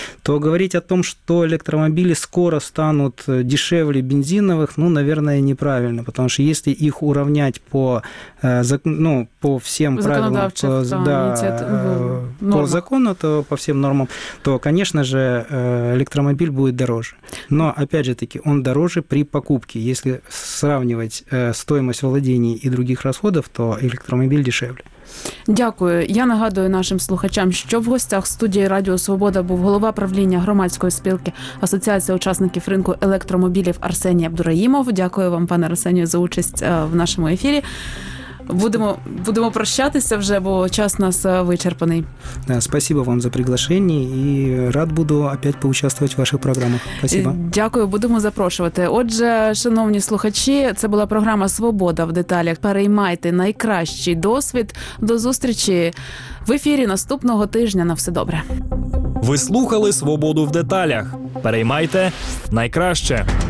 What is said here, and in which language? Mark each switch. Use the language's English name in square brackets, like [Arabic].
[Russian] То говорить о том, что электромобили скоро станут дешевле бензиновых, ну, наверное, неправильно, потому что если их уравнять по, ну, по всем правилам, по, да, по закону, то по всем нормам, то, конечно же, электромобиль будет дороже. Но, опять же таки, он дороже при покупки. Если сравнивать стоимость владения и других расходов, то электромобиль дешевле. [Ukrainian] Дякую. Я нагадую нашим слухачам, що в гостях студії Радіо Свобода був голова правління громадської спілки Асоціації учасників ринку електромобілів Арсеній Абдураїмов. Дякую вам, пане Арсенію, за участь в нашому ефірі. Будемо прощатися вже, бо час у нас вичерпаний. [Russian] Спасибо вам за приглашення [Ukrainian] і [Russian] рад буду опять поучаствовать в ваших програмах. Спасибо. [Ukrainian] Дякую, будемо запрошувати. Отже, шановні слухачі, це була програма «Свобода в деталях». Переймайте найкращий досвід. До зустрічі в ефірі наступного тижня. На все добре. Ви слухали «Свободу в деталях». Переймайте найкраще.